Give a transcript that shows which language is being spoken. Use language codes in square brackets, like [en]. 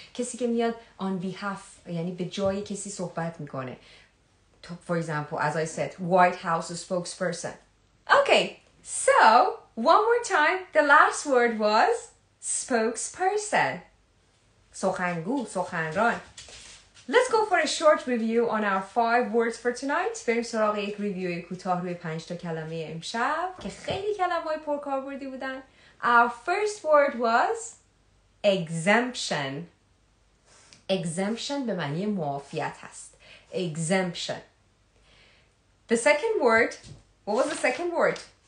[fa] کسی که میاد on behalf, یعنی به جای کسی صحبت میکنه. [en] For example, as I said, White House spokesperson. Okay, so one more time, the last word was spokesperson. [fa] سخنگو, سخنران. [en] Let's go for a short review on our 5 words for tonight. [fa] بریم سراغ یک ریویو کوتاه روی 5 تا کلمه امشب که خیلی کلمه‌های پرکاربردی بودن. [en] Our first word was exemption. [fa] Exemption به معنی معافیت هست. [en] Exemption. The second word, what was the second word?